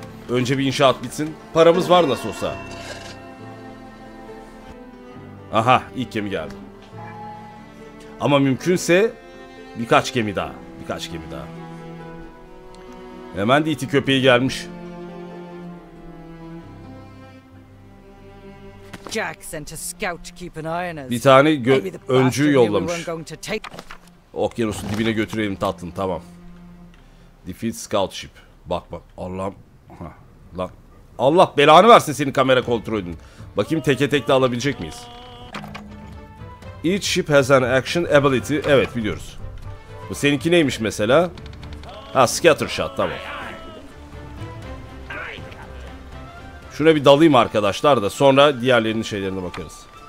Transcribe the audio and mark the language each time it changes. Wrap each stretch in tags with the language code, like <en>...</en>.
<tr>Önce bir inşaat bitsin. Paramız var nasıl olsa. Aha, ilk gemi geldi. Ama mümkünse birkaç gemi daha. Birkaç gemi daha. Hemen de iti köpeği gelmiş.</tr> <en>Jack sent a scout to keep an eye on us.</en> <tr>Bir tane öncü yollamış. Okyanusun dibine götürelim tatlım, tamam.</tr> <en>Defeat scout ship.</en> <tr>Bak Allah'ım. Lan. Allah belanı versin senin kamera kontrolünün. Bakayım teke tek de alabilecek miyiz?</tr> <en>Each ship has an action ability.</en> <tr>Evet, biliyoruz. Bu seninki neymiş mesela? Ha, scatter shot, tamam. Şuna bir dalayım arkadaşlar da sonra diğerlerinin şeylerine bakarız.</tr>